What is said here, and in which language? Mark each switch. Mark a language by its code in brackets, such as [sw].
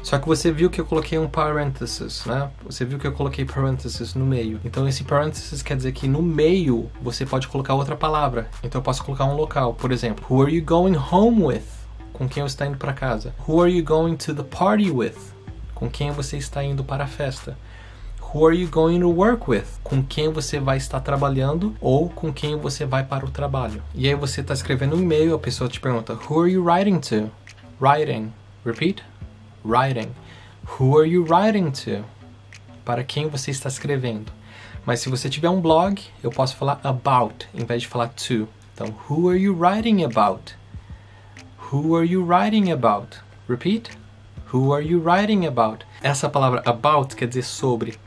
[pt] Só que você viu que eu coloquei um parenthesis, né? Você viu que eu coloquei parenthesis no meio. Então esse parenthesis quer dizer que no meio você pode colocar outra palavra. Então eu posso colocar um local. Por exemplo: [en] Who are you going home with? [pt] Com quem você está indo para casa? [en] Who are you going to the party with? [pt] Com quem você está indo para a festa? [en] Who are you going to work with? [pt] Com quem você vai estar trabalhando ou com quem você vai para o trabalho? E aí você está escrevendo um e-mail, a pessoa te pergunta: [en] Who are you writing to? Writing. Repeat. Writing. Who are you writing to? [pt] Para quem você está escrevendo? Mas se você tiver um blog, eu posso falar about em vez de falar to. [en] Então, who are you writing about? Who are you writing about? Repeat. Who are you writing about? [pt] Essa palavra about quer dizer sobre.